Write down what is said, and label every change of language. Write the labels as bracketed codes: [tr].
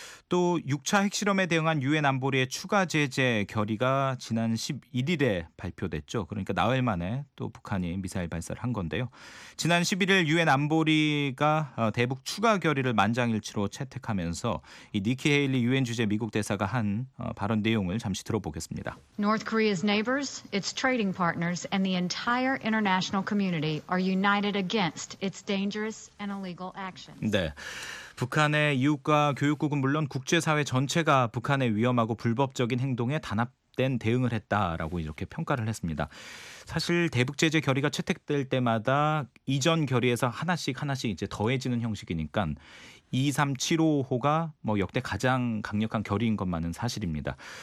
[ko] 또 6차 핵실험에 대응한 유엔 안보리의 추가 제재 결의가 지난 11일에 발표됐죠. 그러니까 나흘 만에 또 북한이 미사일 발사를 한 건데요. 지난 11일 유엔 안보리가 대북 추가 결의를 만장일치로 채택하면서 이 니키 헤일리 유엔 주재 미국 대사가 한 발언 내용을 잠시 들어보겠습니다. [en] North Korea's neighbors, its trading partners and the entire international community are united against its dangerous and illegal actions. [ko] 네. 북한의 이웃과 교육국은 물론 국제사회 전체가 북한의 위험하고 불법적인 행동에 단합된 대응을 했다라고 이렇게 평가를 했습니다. 사실 대북 제재 결의가 채택될 때마다 이전 결의에서 하나씩 이제 더해지는 형식이니까 23755호가 뭐 역대 가장 강력한 결의인 것만은 사실입니다.